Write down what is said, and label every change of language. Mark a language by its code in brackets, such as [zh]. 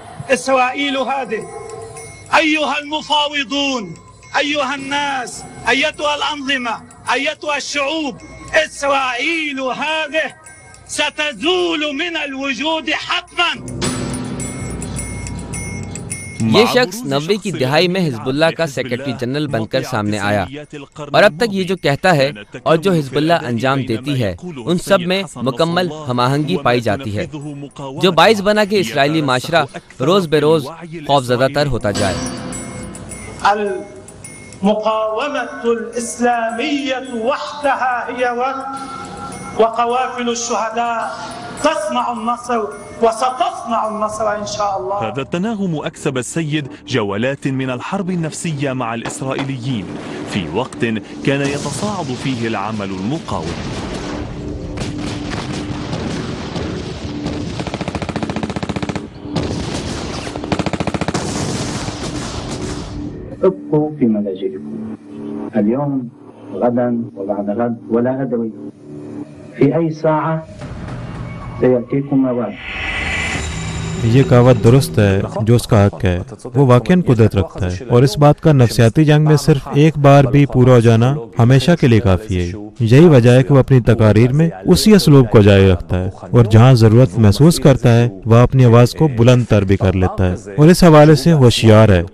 [ar] السوائل هذه ايها المفاوضون ايها الناس ايتها الانظمه ايتها الشعوب السوائل هذه ستزول من الوجود حتما. [ur] یہ شخص 90 کی دہائی میں حزب اللہ کا سیکرٹری جنرل بن کر سامنے آیا, اور اب تک یہ جو کہتا ہے اور جو حزب اللہ انجام دیتی ہے ان سب میں مکمل ہم آہنگی پائی جاتی ہے, جو باعث بنا کہ اسرائیلی معاشرہ روز بے روز خوف زدہ تر ہوتا جائے. [ar] المقاومت الاسلامیت وحدہا ہی وقوافل الشہداء تصنع النصر وستصنع النصر ان شاء الله. هذا التناغم اكسب السيد جولات من الحرب النفسيه مع الاسرائيليين في وقت كان يتصاعد فيه العمل المقاوم. ابقوا في منازلكم اليوم غدا وبعد غد ولا ادري في اي ساعه. [ur] یہ کہاوت درست ہے, جو اس کا حق ہے وہ واقعاً قدرت رکھتا ہے. اور اس بات کا نفسیاتی جنگ میں صرف ایک بار بھی پورا ہو جانا ہمیشہ کے لیے کافی ہے. یہی وجہ ہے کہ وہ اپنی تقاریر میں اسی اسلوب کو جاری رکھتا ہے, اور جہاں ضرورت محسوس کرتا ہے وہ اپنی آواز کو بلند تر بھی کر لیتا ہے, اور اس حوالے سے ہوشیار ہے.